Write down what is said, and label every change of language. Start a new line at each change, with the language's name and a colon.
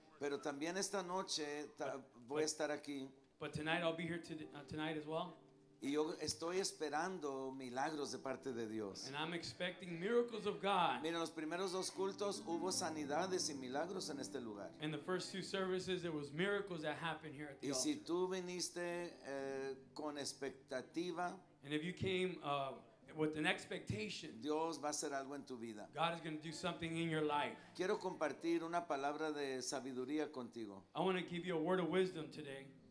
Spanish: Pero también esta noche voy a estar aquí.
English: But tonight I'll be here tonight as well.
Spanish: Y yo estoy esperando milagros de parte de Dios.
English: And I'm expecting miracles of God.
Spanish: Mira, los primeros dos cultos hubo sanidades y milagros en este lugar.
English: In the first two services there was miracles that happened here at the altar.
Spanish: Y si tú viniste con expectativa,
English: and if you came with an expectation,
Spanish: Dios va a hacer algo en tu vida.
English: God is going to do something in your life.
Spanish: Quiero compartir una palabra de sabiduría contigo.
English: I want to give you a word of wisdom today.